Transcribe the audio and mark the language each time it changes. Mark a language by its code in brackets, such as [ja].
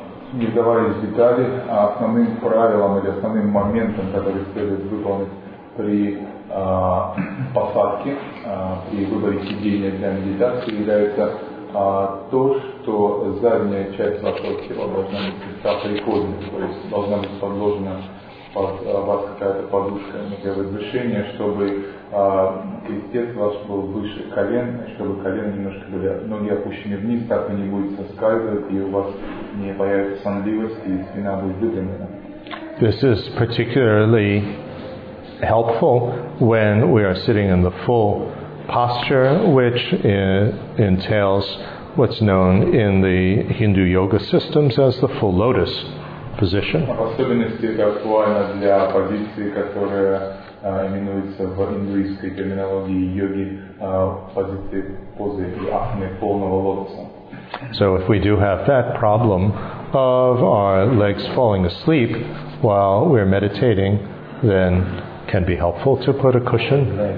[ru] Не вдаваясь в детали, основным правилом или основным моментом, который следует выполнить при посадке, при выборе сидения для медитации, является то, что задняя часть вашего тела должна быть слегка приподнята, то есть должна быть подложена вас какая-то подушка, некое возвышение, чтобы крестец ваш был выше колен, чтобы колено немножко были ноги опущены вниз, так вы не будете соскальзывать, и у вас не появится сонливость, и спина будет выпрямлена. [en] This is particularly helpful when we are sitting in the full posture, which entails what's known in the Hindu yoga systems as the full lotus position. [ru] В особенности это актуально для позиции, которая именуется в индуистской терминологии йоги позиции позы асаны полного лотоса. [en] So if we do have that problem of our legs falling asleep while we're meditating, then can be helpful to put a cushion.